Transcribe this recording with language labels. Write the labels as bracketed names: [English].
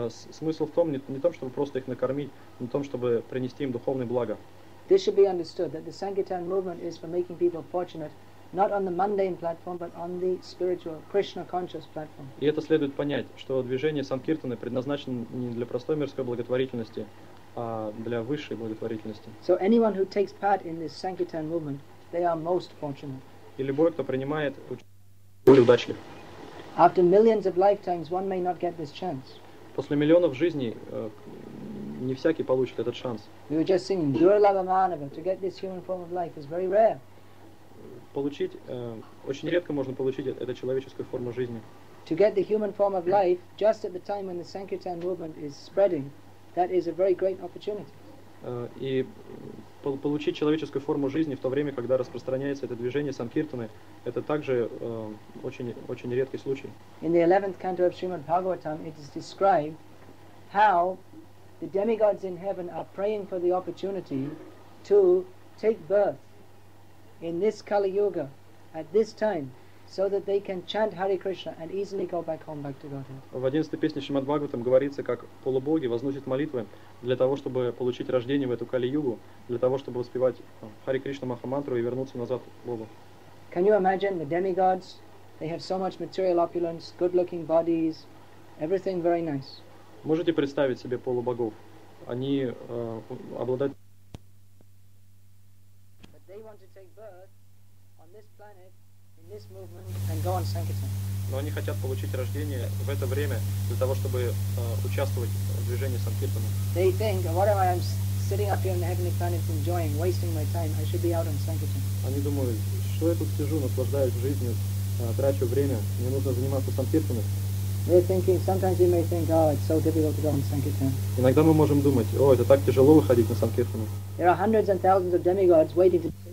[Russian] Смысл в том, не в том, чтобы просто их накормить, но в том, чтобы принести им духовное благо. [English] This should be understood, that the Sankirtan movement is for making people fortunate, not on the mundane platform, but on the spiritual, Krishna-conscious platform. [Russian] И это следует понять, что движение Санкиртаны предназначено не для простой мирской благотворительности, а для высшей благотворительности. [English] So anyone who takes part in this Sankirtan movement, they are most fortunate. [Russian] И любой, кто принимает участие, более удачлив. [English] After millions of lifetimes, one may not get this chance. [Russian] После миллионов жизней не всякий получит этот шанс. [English] We were just singing, Durlava Manava, to get this human form of life is very rare. [Russian] Получить, очень редко можно получить эту человеческую форму жизни. [English] To get the human form of life, just at the time when the Sankirtan movement is spreading, that is a very great opportunity. [Russian] И получить человеческую форму жизни в то время, когда распространяется это движение Санкиртаны, это также очень, очень редкий случай. [English] In the 11th canto of Srimad Bhagavatam, it is described how the demigods in heaven are praying for the opportunity to take birth in this Kali Yuga at this time, so that they can chant Hare Krishna and easily go back home, back to Godhead. [Russian] В 11-й песне Шримад Бхагаватам говорится, как полубоги возносят молитвы для того, чтобы получить рождение в эту Кали-югу, для того, чтобы воспевать Hare Krishna Махамантру и вернуться назад к Богу. [English] Can you imagine the demigods? They have so much material opulence, good-looking bodies, everything very nice. [Russian] Можете представить себе полубогов? Они обладают... [English] But they want to take birth on this planet, this movement, and go on Sankirtan. [Russian] Но они хотят получить рождение в это время для того, чтобы участвовать в движении Санкиртана. [English] They think, what am I, I'm sitting up here in the heavenly planet enjoying, wasting my time, I should be out on Sankirtan. [Russian] Они думают, что я тут сижу, наслаждаюсь жизнью, трачу время, мне нужно заниматься Санкиртаной. [English] They're thinking, sometimes you may think, oh, it's so difficult to go on Sankirtan. [Russian] Иногда мы можем думать, о, это так тяжело выходить на Санкиртану. [English] There are hundreds and thousands of demigods waiting to...